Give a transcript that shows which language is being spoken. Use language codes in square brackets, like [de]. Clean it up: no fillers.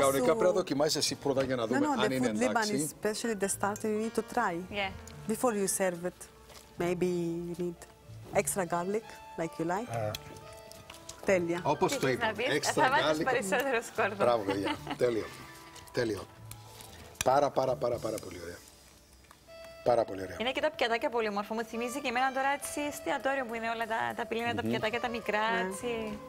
[el] Κανονικά πρέπει να δοκιμάσεις εσύ πρώτα για να δούμε αν είναι εντάξει. [en] No, the food Lebanese, especially the start, you need to try. Yeah. Before you serve it, maybe you need extra garlic, like you like. [el] Τέλεια. Όπως το είπα, [en] extra garlic. [el] Θα βάλεις περισσότερο σκόρδο. Μπράβο, παιδιά. Τέλειο. Τέλειο. Πάρα, πάρα, πάρα, πάρα πολύ ωραία. Πάρα πολύ ωραία. Είναι και τα πιατάκια πολύ όμορφα. Μου θυμίζει και εμένα τώρα έτσι εστιατόριο που είναι όλα τα πυλήνα, τα πιατάκια, τα μικρά. Έτσι.